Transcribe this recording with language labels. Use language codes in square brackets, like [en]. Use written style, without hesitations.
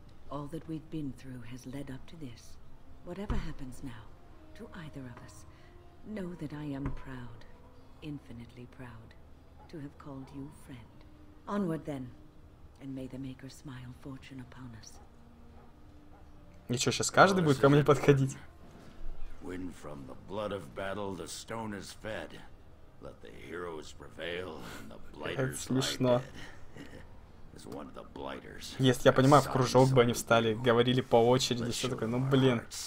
[en] All that we've been through has led up to this. Whatever happens now, to either of us, know that I am proud, infinitely proud, to have called you friend. Onward then, and may the Maker smile fortune upon us. [ru] Ничего, сейчас каждый будет ко мне подходить. [en] When from the blood of battle the stone is fed, let the heroes prevail and the blighters lie dead. As one of the blighters. [ru] Если я понимаю, в кружок бы они встали, говорили по очереди, что такое, ну блин.